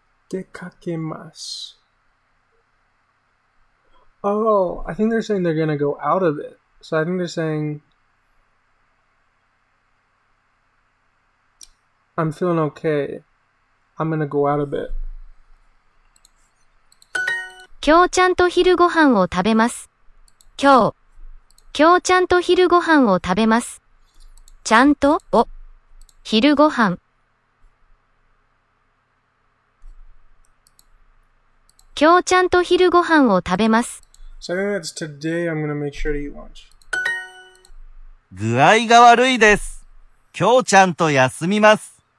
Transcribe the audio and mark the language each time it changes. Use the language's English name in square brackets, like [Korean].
[Japanese] でかけます。 [English] Oh, I think they're saying they're gonna go out of it. So I think they're saying, I'm feeling okay. I'm gonna go out of it. [Japanese] 今日ちゃんと昼ご飯を食べます。今日ちゃんと昼ご飯を食べます。ちゃんと、お、昼ご飯。今日ちゃんと昼ご飯を食べます。 [English] So I think that's today I'm gonna make sure to eat lunch. [Japanese] 具合が悪いです。今日ちゃんと休みます。